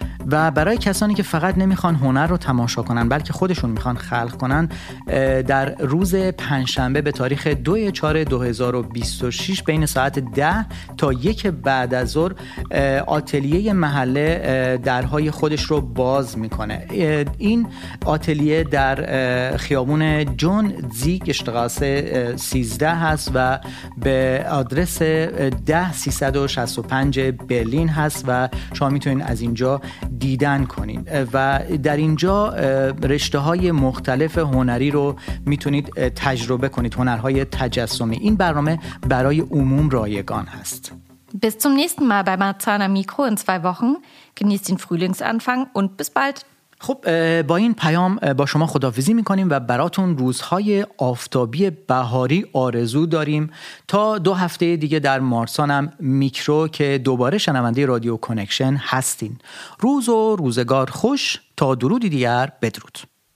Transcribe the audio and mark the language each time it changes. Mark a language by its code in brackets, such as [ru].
[fa] و برای کسانی که فقط نمیخوان هنر رو تماشا کنن بلکه خودشون میخوان خلق کنن، در روز پنجشنبه به تاریخ 2/4/2026 بین ساعت 10 تا 1 بعد از ظهر آتلیه محله درهای خودش رو باز میکنه. این آتلیه در خیابون جون زیگ اشتغاسه 13 هست و به آدرس 10365 برلین هست و شما میتونین از اینجا دیدن کنین و در اینجا رشته های مختلف هنری رو میتونید تجربه کنید، هنرهای تجسمی. این برنامه برای عموم رایگان هست. [de] Bis zum nächsten Mal bei Marzana Mikro in 2 Wochen. Genießt den Frühlingsanfang und bis bald. [fa] خب با این پیام با شما خداحافظی میکنیم و براتون روزهای آفتابی بهاری آرزو داریم. تا 2 هفته دیگه در مارسانم میکرو که دوباره شنونده رادیو کانکشن هستین. روز و روزگار خوش. تا درودی دیگر، بدرود.